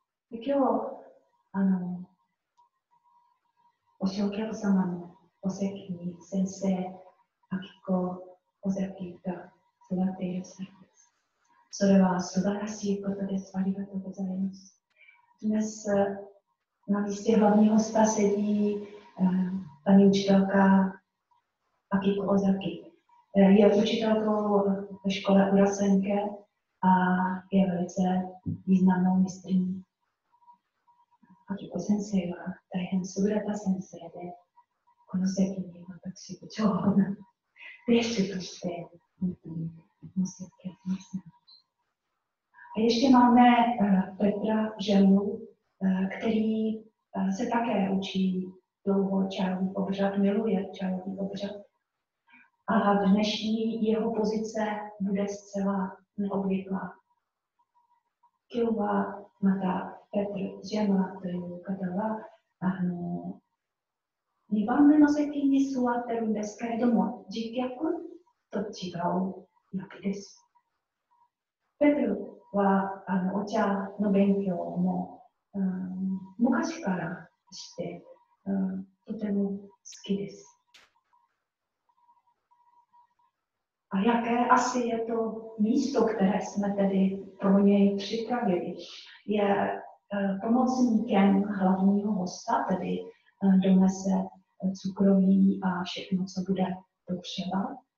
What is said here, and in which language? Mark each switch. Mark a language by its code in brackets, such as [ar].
[ja] で今日お師匠お客様のお席に先生アキコ尾崎が座っていらっしゃるんです。それは素晴らしいことです。ありがとうございます。 [cs] Dnes na místě hlavního hosta sedí paní učitelka Akiko Ozaki. Je učitelkou ve škole Urasenke a je velice významnou mistryní. [ja] Akiko 先生は大変優れた先生で、この席に私部長の弟子として本当に申し訳ありません。 [cs] A ještě máme Petra Želu, který se také učí dlouho čarový obřad, miluje čarový obřad. A dnešní jeho pozice bude zcela neobvyklá. [ja] 今日はまたペトル・ジェマという方は2番目の席に座ってるんですけれども次客と違うわけです。ペトルはお茶の勉強も、昔からして、とても好きです。 [cs] A jaké asi je to místo, které jsme tedy pro něj připravili? Je pomocníkem hlavního hosta, tedy donese cukroví a všechno, co bude potřeba.